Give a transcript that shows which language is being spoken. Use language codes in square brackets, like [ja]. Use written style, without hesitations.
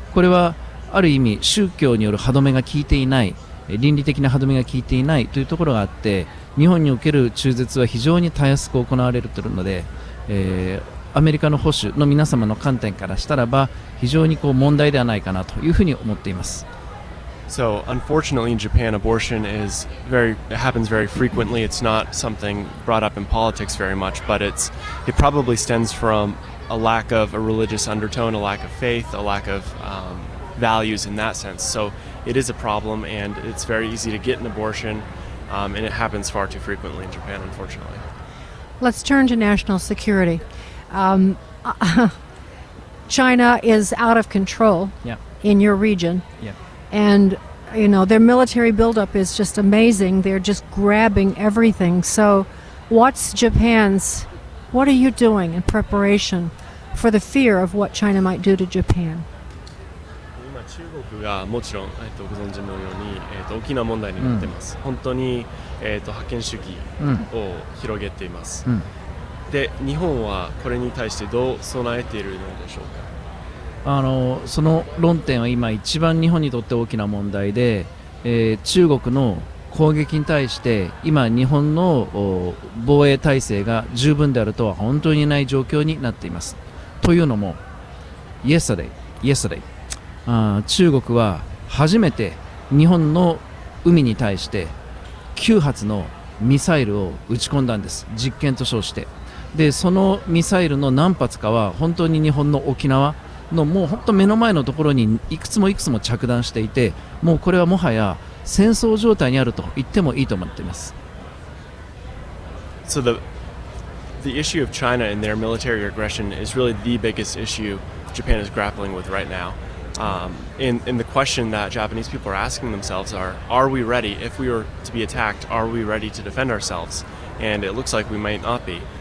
[ja] これはある意味宗教による歯止めが効いていない。倫理的な歯止めが効いていないというところがあって日本における中絶は非常に容易く行われているので、アメリカの保守の皆様の観点からしたらば非常にこう問題ではないかなというふうに思っています [en] So unfortunately in Japan abortion happens very frequently It's not something brought up in politics very much But it probably stems from a lack of a religious undertone A lack of faith, a lack of values in that sense So it is a problem and it's very easy to get an abortion and it happens far too frequently in Japan unfortunately. Let's turn to national security. China is out of control yeah. in your region yeah. and you know their military buildup is just amazing. They're just grabbing everything. So what are you doing in preparation for the fear of what China might do to Japan? [ja] 中国がもちろん、ご存知のように、大きな問題になっています、うん、本当に、覇権主義を広げています、うん、で日本はこれに対してどう備えているのでしょうかその論点は今一番日本にとって大きな問題で、中国の攻撃に対して今日本の防衛体制が十分であるとは本当にない状況になっていますというのも [en] Yesterday [ja] 中国は初めて日本の海に対して9発のミサイルを撃ち込んだんです実験と称してでそのミサイルの何発かは本当に日本の沖縄のもう本当目の前のところにいくつもいくつも着弾していてもうこれはもはや戦争状態にあると言ってもいいと思っています [en] So the issue of China and their military aggression is really the biggest issue Japan is grappling with right now And the question that Japanese people are asking themselves are we ready? If we were to be attacked, are we ready to defend ourselves? And it looks like we might not be.